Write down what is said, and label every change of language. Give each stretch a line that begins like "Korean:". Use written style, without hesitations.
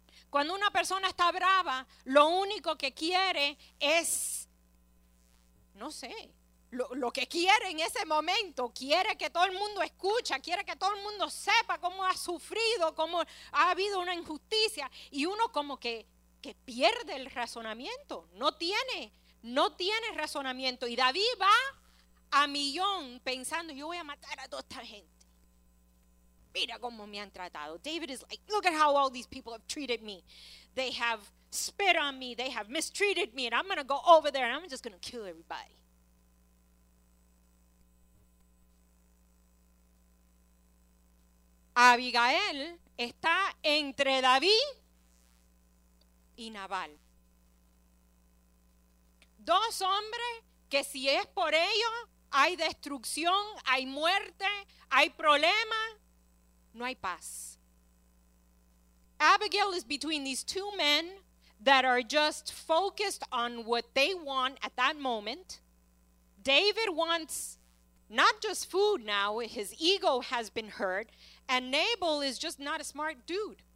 Spanish: Cuando una persona está brava, lo único que quiere es, no sé, lo que quiere en ese momento, quiere que todo el mundo escuche, quiere que todo el mundo sepa cómo ha sufrido, cómo ha habido una injusticia, y uno como que pierde el razonamiento, no tiene razonamiento. Y David va a millón pensando, yo voy a matar a toda esta gente. Mira cómo me han tratado.
English: David is like, look at how all these people have treated me. They have spit on me. They have mistreated me. And I'm going to go over there and I'm just going to kill everybody.
Spanish: Abigail está entre David y Nabal. Dos hombres que si es por ellos, hay destrucción, hay muerte, hay problemas. No hay paz.
English: Abigail is between these two men that are just focused on what they want at that moment. David wants not just food now, his ego has been hurt, and Nabal is just not a smart dude.